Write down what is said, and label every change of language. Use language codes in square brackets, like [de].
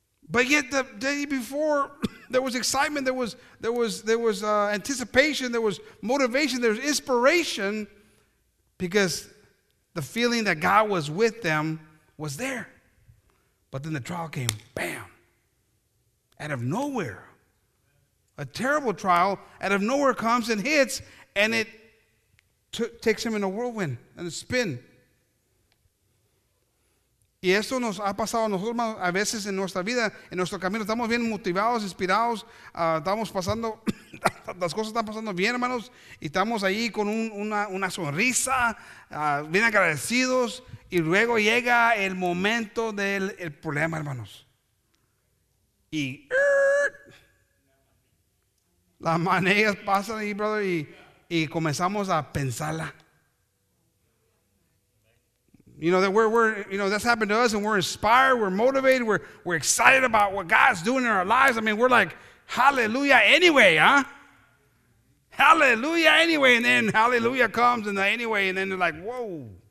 [en] But yet the day before, there was excitement, there was anticipation, there was motivation, there was inspiration, because the feeling that God was with them was there. But then the trial came, bam, out of nowhere. A terrible trial out of nowhere comes and hits, and it takes him in a whirlwind and a spin. [es] Y esto nos ha pasado a nosotros a veces en nuestra vida, en nuestro camino. Estamos bien motivados, inspirados. Estamos pasando, las cosas están pasando bien, hermanos. Y estamos ahí con una sonrisa, bien agradecidos. Y luego llega el momento del el problema, hermanos. Y las maneras pasan ahí, brother, y comenzamos a pensarla. [en] You know, that that's happened to us, and we're inspired, we're motivated, we're excited about what God's doing in our lives. I mean, we're like, hallelujah anyway, huh? Hallelujah anyway, and then hallelujah comes and the anyway, and then they're like, whoa.